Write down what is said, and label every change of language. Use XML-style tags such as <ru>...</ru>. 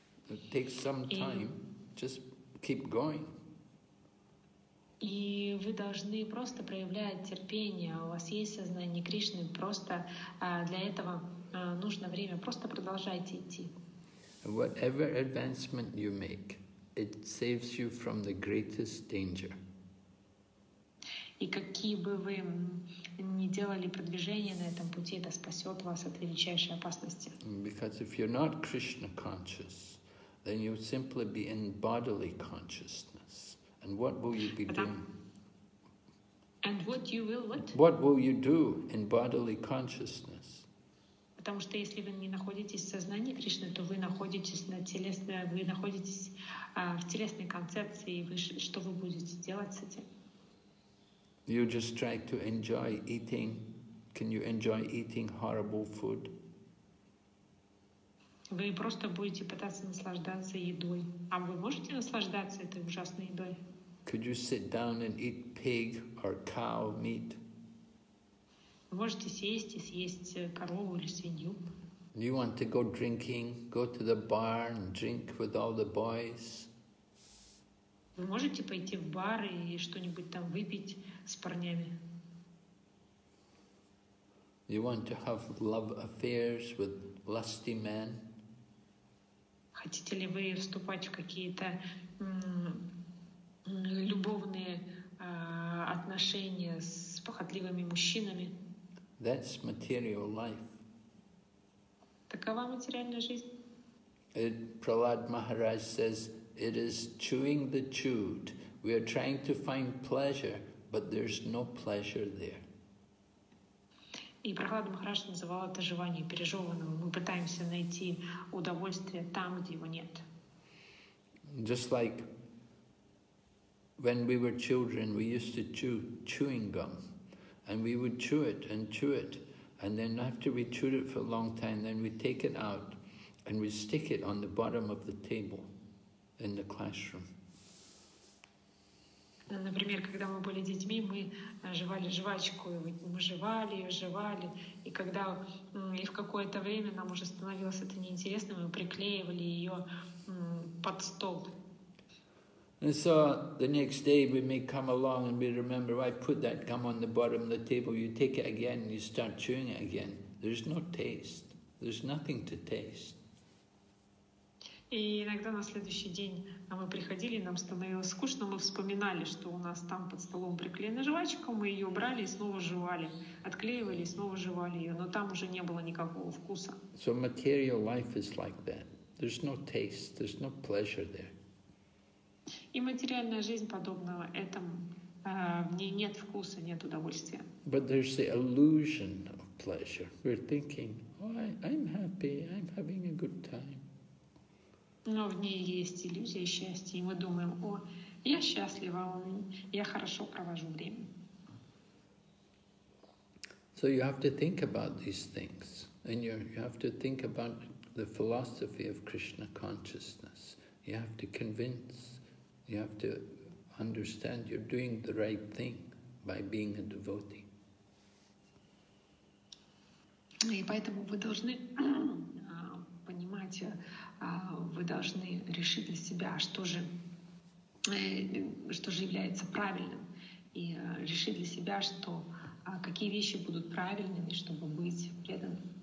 <en>It takes some time. Just keep going.</en> <ru>И вы должны просто проявлять терпение. У вас есть сознание Кришны. Просто для этого нужно время. Просто продолжайте идти.</ru> <en>Whatever advancement you make, it saves you from the greatest danger.</en> <ru>И какие бы вы ни делали продвижение на этом пути, это спасет вас от величайшей опасности.</ru> <en>Because if you're not Krishna conscious, then you would simply be in bodily consciousness. And what will you be doing? And what you will what? What will you do in bodily consciousness?</en> <ru>Потому что если вы не находитесь в сознании Кришны, то вы находитесь на телесной, вы находитесь в телесной концепции, и вы, что вы будете делать с этим?</ru> <en>You just try to enjoy eating. Can you enjoy eating horrible food?</en> <ru>Вы просто будете пытаться наслаждаться едой. А вы можете наслаждаться этой ужасной едой?</ru> <en>Could you sit down and eat pig or cow meat?</en> <ru>Можете сесть и съесть корову или свинью.</ru> <en>You want to go drinking, go to the bar and drink with all the boys?</en> <ru>Вы можете пойти в бар и что-нибудь там выпить с парнями?</ru> <en>You want to have love affairs with lusty men?</en> <ru>Хотите ли вы вступать в какие-то любовные отношения с похотливыми мужчинами?</ru> <en>That's material life.</en> <ru>Такова материальная жизнь.</ru> <en>It, Prahlad Maharaj says, it is chewing the chewed. We are trying to find pleasure, but there's no pleasure there.</en> <ru>И Прахлад Махарадж называл это жеванием пережеванным. Мы пытаемся найти удовольствие там, где его нет.</ru> <en>Just like when we were children, we used to chew chewing gum. And we would chew it and chew it, and then after we chewed it for a long time, then we'd take it out and we'd stick it on the bottom of the table in the classroom.</en> <ru>Например, когда мы были детьми, мы жевали жвачку, мы жевали и жевали, и когда и в какое-то время нам уже становилось это неинтересно, мы приклеивали ее под стол.</ru> <en>And so the next day we may come along and we remember, I put that gum on the bottom of the table. You take it again and you start chewing it again. There's no taste. There's nothing to taste.</en> <ru>И иногда на следующий день мы приходили, нам становилось скучно, мы вспоминали, что у нас там под столом приклеена жвачка, мы ее брали и снова жевали, отклеивали и снова жевали ее, но там уже не было никакого вкуса.</ru> <en>So material life is like that. There's no taste. There's no pleasure there.</en> <ru>И материальная жизнь подобного этому, в ней нет вкуса, нет удовольствия.</ru> <en>But there's the illusion of pleasure. We're thinking, I'm happy, I'm having a good time.</en> <ru>Но в ней есть иллюзия счастья, и мы думаем, о, я счастлива, я хорошо провожу время.</ru> <en>So you have to think about these things, and you have to think about the philosophy of Krishna consciousness. You have to convince. You have to understand you're doing the right thing by being a devotee.</en> <ru>И поэтому вы должны понимать, вы должны решить для себя, что же является правильным, и решить для себя, что какие вещи будут правильными, чтобы быть преданным.</ru>